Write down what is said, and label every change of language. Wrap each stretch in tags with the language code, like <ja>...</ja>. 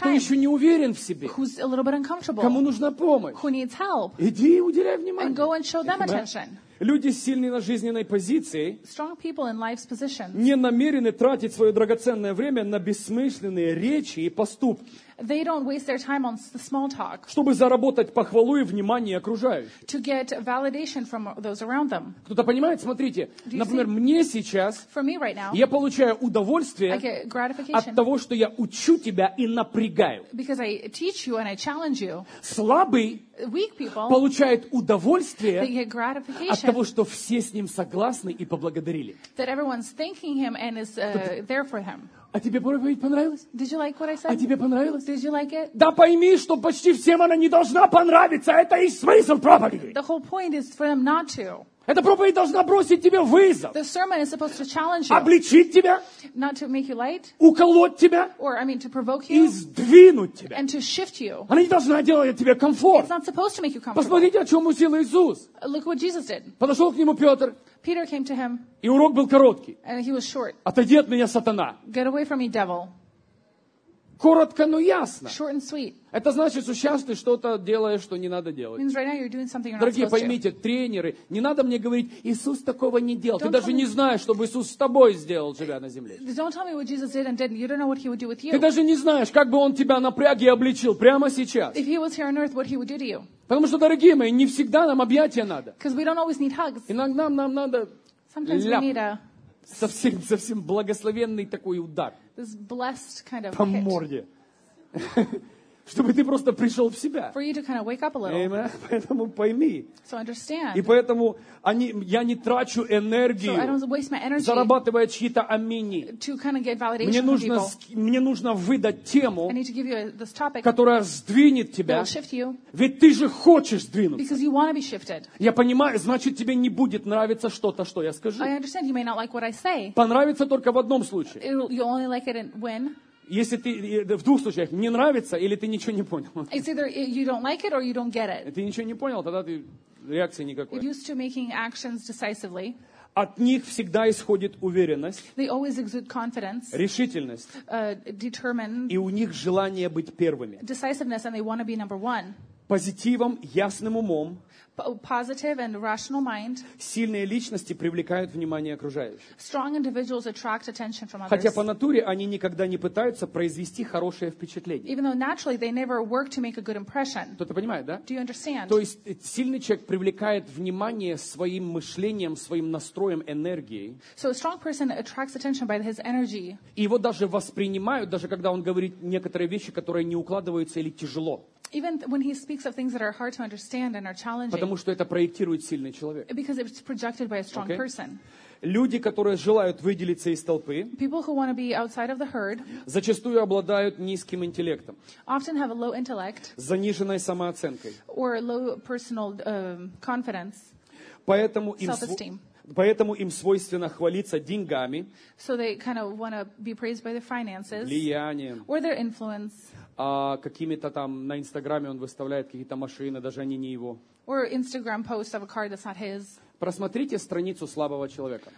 <ru>Кто еще не уверен в себе?</ru> <en>Who's a little bit uncomfortable?</en> <ru>Кому нужна помощь?</ru> <en>Who needs help?</en> <ru>Иди и уделяй внимание.</ru> <en>And go and show them attention.</en> <ru>Люди с сильной на жизненной позиции</ru> <en>strong people in life's positions</en> <ru>не намерены тратить свое драгоценное время на бессмысленные речи и поступки.</ru> <en>They don't waste their time on the small talk.</en> <ru>Чтобы заработать похвалу и внимание окружающих.</ru> <en>To get validation from those around them.</en> <ru>Кто-то понимает? Смотрите. Например,</ru> <en>see?</en> <ru>Мне сейчас</ru> <en>for me right now,</en> <ru>я получаю удовольствие от того, что я учу тебя и напрягаю.</ru> <en>Because I teach you and I challenge you.</en> <ru>Слабый</ru> <en>weak people</en> <ru>получает удовольствие</ru> <en>get gratification</en> <ru>от того, что все с ним согласны и поблагодарили.</ru> <en>That everyone's thanking him and is there for him.</en> <ru>А тебе проповедь понравилась?</ru> <en>Did you like what I said?</en> <ru>А тебе понравилось?</ru> <en>Did you like it?</en> <ru>Да пойми, что почти всем она не должна понравиться. Это и смысл проповеди.</ru> <en>The whole point is for them not to.</en> <ru>Эта проповедь должна бросить тебе вызов.</ru> <en>The sermon is supposed to challenge you.</en> <ru>Обличить тебя.</ru> <en>Not to make you light.</en> <ru>Уколоть тебя.</ru> <en>Or, I mean, to provoke you.</en> <ru>И сдвинуть тебя.</ru> <en>And to shift you.</en> <ru>Она не должна делать тебе комфорт.</ru> <en>It's not supposed to make you comfortable.</en> <ru>Посмотрите, о чем учил Иисус.</ru> <en>Look what Jesus did.</en> <ru>Подошел к нему Петр.</ru> <en>Peter came to him.</en> <ru>И урок был короткий.</ru> <en>And he was short.</en> <ru>Отойди от меня, сатана.</ru> <en>Get away from me, devil.</en> <ru>Коротко, но ясно.</ru> <en>Short and sweet.</en> <ru>Это значит, что сейчас ты что-то делаешь, что не надо делать.</ru> <en>Means right now you're doing something you're not supposed to.</en> <ru>Дорогие, поймите, тренеры, не надо мне говорить, Иисус такого не делал. Ты даже не знаешь, что бы Иисус с тобой сделал, живя на земле.</ru> <en>Don't tell me what Jesus did and didn't. You don't know what he would do with you.</en> <ru>Ты даже не знаешь, как бы он тебя напряг и обличил прямо сейчас.</ru> <en>If he was here on earth, what he would do to you.</en> <ru>Потому что, дорогие мои, не всегда нам объятия надо.</ru> <en>Because we don't always need hugs.</en> <ru>Иногда нам надо</ru> <en>sometimes</en> <ru>ляп.</ru> <en>We need a</en> <ru>совсем благословенный такой удар.</ru> <en>This blessed kind of</en> <ru>по морде. чтобы ты просто пришел в себя.</ru> <en>For you to kind of wake up a little.</en> <ru>Amen. Поэтому пойми.</ru> <en>So understand.</en> <ru>И поэтому они, я не трачу энергию,</ru> <en>so I don't waste my energy,</en> <ru>зарабатывая чьи-то амини.</ru> <en>To kind of get validation</en> <ru>мне нужно,</ru> <en>from people.</en> <ru>Мне нужно выдать тему,</ru> <en>I need to give you this topic,</en> <ru>которая сдвинет тебя.</ru> <en>That will shift you.</en> <ru>Ведь ты же хочешь сдвинуться.</ru> <en>Because you want to be shifted.</en> <ru>Я понимаю, значит, тебе не будет нравиться что-то, что я скажу.</ru> <en>I understand. You may not like what I say.</en> <ru>Понравится только в одном случае.</ru> <en>You'll only like it when...</en> <ru>Если ты в двух случаях не нравится или ты ничего не понял.</ru> <en>It's either you don't like it or you don't get it.</en> <ru>Ты ничего не понял, тогда ты реакции никакой.</ru> <en>You're used to making actions decisively.</en> <ru>От них всегда исходит уверенность.</ru> <en>They always exude confidence.</en> <ru>Решительность.</ru> <en>Determined.</en> <ru>И у них желание быть первыми.</ru> <en>Decisiveness and they want to be number one.</en> <ru>Позитивом, ясным умом.</ru> <en>Positive and rational mind.</en> <ru>Сильные личности привлекают внимание окружающих.</ru> <en>Strong individuals attract attention from others.</en> <ru>Хотя по натуре они никогда не пытаются произвести хорошее впечатление.</ru> <en>Even though naturally they never work to make a good impression.</en> <ru>Кто-то понимает, да?</ru> <en>Do you understand?</en> <ru>То есть сильный человек привлекает внимание своим мышлением, своим настроем, энергией.</ru> <en>So a strong person attracts attention by his energy.</en> <ru>И его даже воспринимают, даже когда он говорит некоторые вещи, которые не укладываются или тяжело.</ru> <en>Even when he speaks of things that are hard to understand and are challenging.</en> <ru>Потому что это проектирует сильный человек.</ru> <en>Because it's projected by a strong okay. person.</en> <ru>Люди, которые желают выделиться из толпы,</ru> <en>people who want to be outside of the herd,</en> <ru>зачастую обладают низким интеллектом,</ru> <en>often have a low intellect,</en> <ru>заниженной самооценкой,</ru> <en>or low personal confidence,</en> <ru>поэтому им свойственно хвалиться деньгами,</ru> <en>so they kind of want to be praised by their finances,</en> <ru>влиянием,</ru> <en>or their influence.</en> <ru>А какими-то там на Инстаграме он выставляет какие-то машины, даже они не его.</ru> <en>Or Instagram post of a car that's not his.</en> <ru>Просмотрите страницу слабого человека.</ru>